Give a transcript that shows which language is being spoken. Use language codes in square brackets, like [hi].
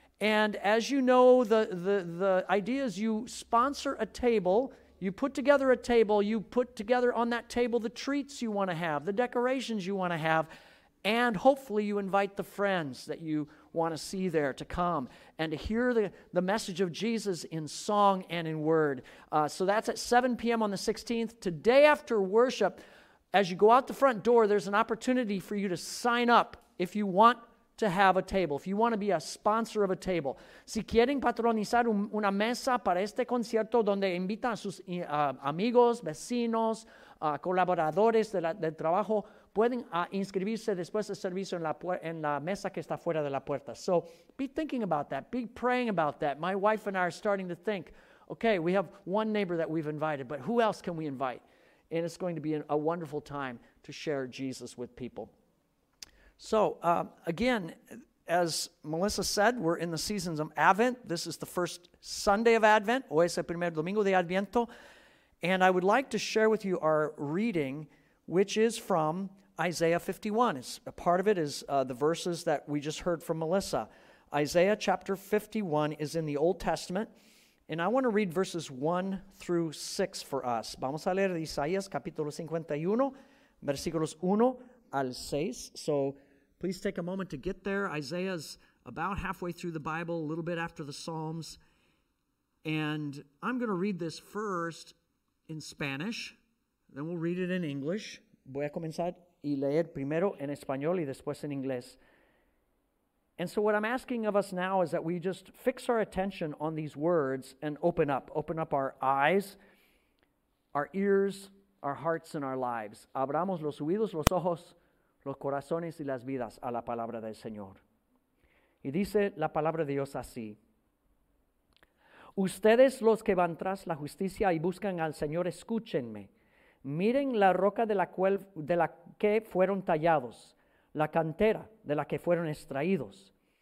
[en] And as you know, the idea is you sponsor a table, you put together a table, you put together on that table the treats you want to have, the decorations you want to have, and hopefully you invite the friends that you want to see there to come and to hear the message of Jesus in song and in word. So that's at 7 p.m. on the 16th. Today after worship, as you go out the front door, there's an opportunity for you to sign up if you want to have a table, if you want to be a sponsor of a table. [es] Si quieren patronizar una mesa para este concierto donde invitan a sus amigos, vecinos, colaboradores del trabajo, pueden inscribirse después del servicio en la mesa que está fuera de la puerta. [en] So be thinking about that. Be praying about that. My wife and I are starting to think, okay, we have one neighbor that we've invited, but who else can we invite? And it's going to be a wonderful time to share Jesus with people. So again, as Melissa said, we're in the seasons of Advent. This is the first Sunday of Advent. [es] Hoy es el primer domingo de Adviento. [en] And I would like to share with you our reading, which is from Isaiah 51. It's, a part of it is the verses that we just heard from Melissa. Isaiah chapter 51 is in the Old Testament. And I want to read verses 1 through 6 for us. [es] Vamos a leer Isaías capítulo 51, versículos 1 al 6. [en] So please take a moment to get there. Isaiah's about halfway through the Bible, a little bit after the Psalms. And I'm going to read this first in Spanish. Then we'll read it in English. [es] Voy a comenzar y leer primero en español y después en inglés. [en] And so what I'm asking of us now is that we just fix our attention on these words and open up our eyes, our ears, our hearts, and our lives. [es] Abramos los oídos, los ojos, los corazones y las vidas a la palabra del Señor. Y dice la palabra de Dios así. Ustedes los que van tras la justicia y buscan al Señor, escúchenme. Miren la roca de la que fueron tallados, la cantera de la que fueron extraídos.